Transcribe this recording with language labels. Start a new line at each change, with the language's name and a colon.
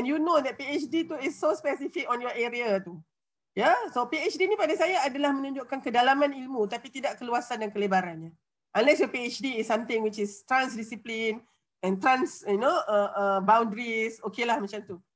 English: And you know that PhD tu is so specific on your area tu. Ya, yeah?
Malay: So PhD ni pada saya adalah menunjukkan kedalaman ilmu tapi tidak keluasan dan kelebarannya.
English: Unless your PhD is something which is transdiscipline and trans, you know, boundaries, okeylah macam tu.